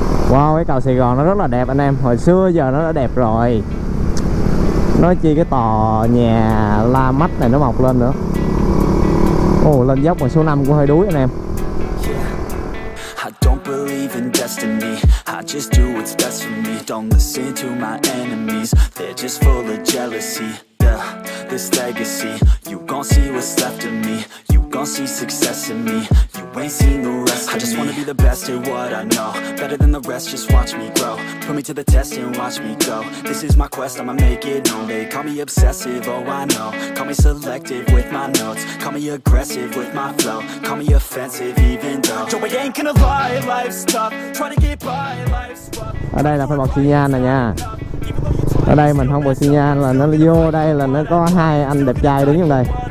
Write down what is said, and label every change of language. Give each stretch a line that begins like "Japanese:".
Vietnamese: Wow, cái cầu Sài Gòn nó rất là đẹp anh em. Hồi xưa giờ nó đã đẹp rồi. Nói chi cái tòa nhà La Mắt này nó mọc lên nữa. Ồ, lên dốc mà số 5 cũng hơi đuối anh em.
English: I don't believe in destiny. I just do what's best for me. Don't listen to my enemies. They're just full of jealousy. This legacy. You gon' see what's left of me. You gon' see success in me. Ain't seen the rest of me. I just wanna be the best at what I know. Better than the rest, just watch me grow. Put me to the test and watch me go. This is my quest, I'ma make it known. They call me obsessive, oh I know. Call me selective with my notes. Call me aggressive with my flow. Call me offensive even though Joey ain't gonna lie, life's tough. Try to get by, life's rough.
Vietnamese: Ở đây là phải bật xi nhan này nha. Ở đây mình không bật xi nhan là nó vô đây là nó có hai anh đẹp trai đứng trong đây.